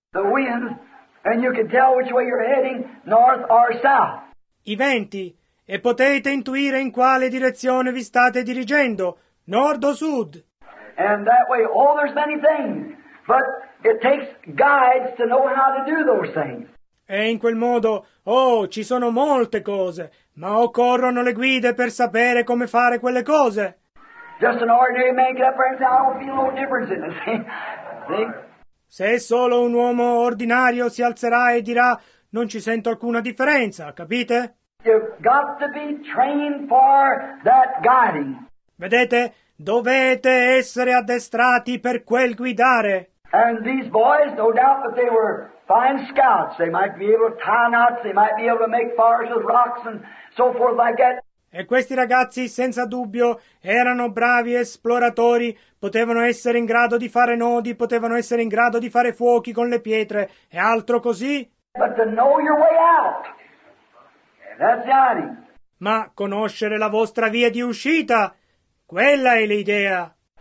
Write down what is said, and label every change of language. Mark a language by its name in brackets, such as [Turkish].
[English] The wind, and you can tell which way you're heading, north or south. [Italian] I venti, e potete intuire in quale direzione vi state dirigendo, nord o sud. [English] And that way, oh, there's many things, but it takes guides to know how to do those things. [Italian] E in quel modo, oh, ci sono molte cose, ma occorrono le guide per sapere come fare quelle cose. [English] Just an ordinary man get up right now, I don't feel no difference in it. [Italian] Se solo un uomo ordinario si alzerà e dirà, non ci sento alcuna differenza, capite? [English] You've got to be trained for that guiding. [Italian] Vedete, dovete essere addestrati per quel guidare. [English] And these boys, no doubt that they were fine scouts. They might be able to tie knots, they might be able to make fires with rocks and so forth like that. [Italian] E questi ragazzi, senza dubbio, erano bravi esploratori, potevano essere in grado di fare nodi, potevano essere in grado di fare fuochi con le pietre e altro così. [English] But to know your way out. That's the idea. [Italian] Ma conoscere la vostra via di uscita, quella è l'idea.